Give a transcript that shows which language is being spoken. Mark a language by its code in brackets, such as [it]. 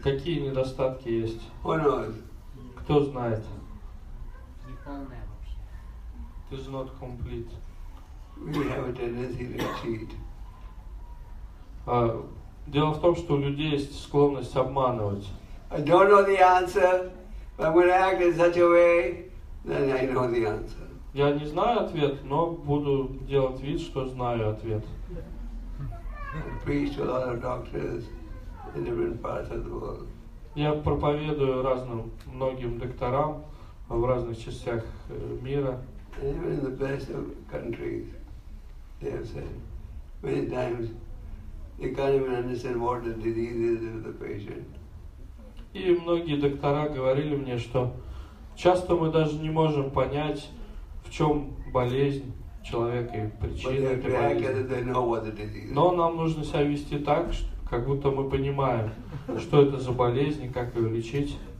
[ru] Какие недостатки есть? [en] Who knows? [ru] Кто знает? Неполное вообще. [en] It is not complete. We have a tendency to cheat. [ru] Дело в том, что у людей есть склонность обманывать. [en] I don't know the answer, but I'm going to act in such a way that I know the answer. [ru] Я не знаю ответ, но буду делать вид, что знаю ответ. [en] I preach to a lot of doctors in different parts of the world. [ru] Я проповедую разным многим докторам в разных частях мира. [en] Even in the best of countries, they have said many times, they can't even understand what the disease is of the patient. [ru] И многие доктора говорили мне, что часто мы даже не можем понять, в чем болезнь человека и причина этой болезни. Но нам нужно себя вести так, как будто мы понимаем, что это за болезнь и как ее лечить.